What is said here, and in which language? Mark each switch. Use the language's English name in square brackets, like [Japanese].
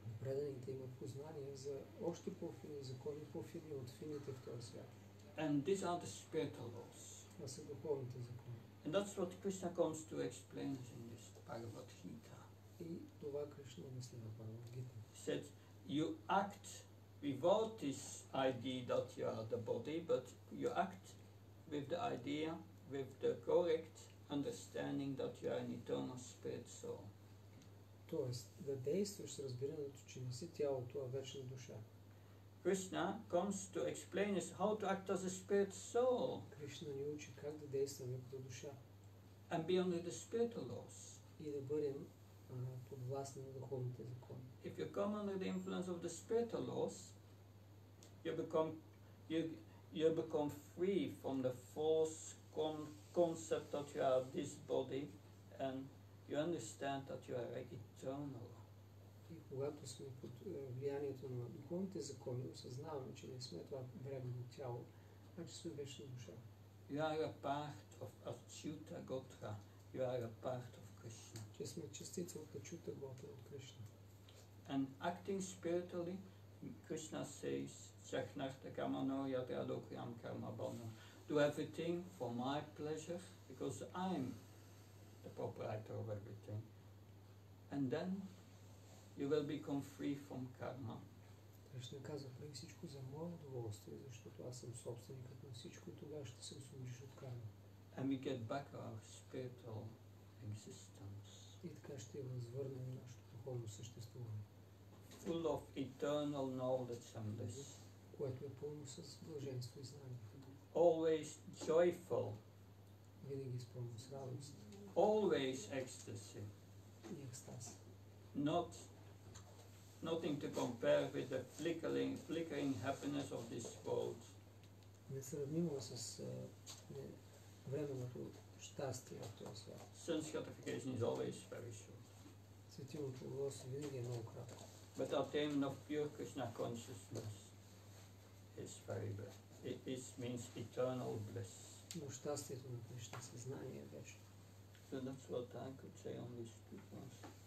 [Bulgarian] Предените имат познание за още по-фини закони, по-фини от фините в този свят. [English] And these are the spiritual laws. [Bulgarian] Това са духовните закони. [English] And that's what Krishna comes to explain in this Bhagavad Gita. [Bulgarian] И това Кришна обяснява в Бхагавад Гита. [English] He said, you act without this idea that you are the body, but you act with the idea, with the correct understanding that you are an eternal spirit soul. [Bulgarian] Тоест, да действаш с разбирането, че не си тялото, а вечна душа. [English] Krishna comes to explain us how to act as a spirit soul. [Bulgarian] Кришна ни учи как да действаме като душа. [English] And be under the spiritual laws. [Bulgarian] И да бъдем под властни на духовните закони. [English] If you come under the influence of the spiritual laws, you become free from the false concept that you have this body, and you understand that you are eternal. [Bulgarian] И когато сме под влиянието на духовните закони, осъзнаваме, че не сме това временно тяло, а че сме вечна душа. [English] You are a part of Achyuta Gotra. You are a part of Krishna. [Bulgarian] Че сме частица от Achyuta Gotra, от Кришна. [English] And acting spiritually, Krishna says, Chaknarta Kamano Yadradokriyam Karma Bono. Do everything for my pleasure, because I'm the proprietor of everything. And then you will become free from karma. [Bulgarian] Кришна казва, прави всичко за мое удоволствие, защото аз съм собственикът на всичко и тогава ще се освободиш от карма. [English] And we get back our spiritual existence. [Bulgarian] И така ще възвърнем нашето духовно съществуване. [English] Full of eternal knowledge and bliss. [Bulgarian] Което е пълно с блаженство и знание. [English] Always joyful. [Bulgarian] Винаги пълно с радост. [English] Always ecstasy. [Bulgarian] И екстаз. [English] Nothing to compare with the flickering happiness of this world. [Bulgarian] Не сравнимо с временното щастие в този свят. [English] Sense gratification is always very short. [Bulgarian] Светилото удоволствие винаги е много кратко. [English] But attainment of pure Krishna consciousness is very bad. It means eternal bliss. [Bulgarian] Но щастието на Кришна съзнание е вечно. [English] So that's what I could say on these two points.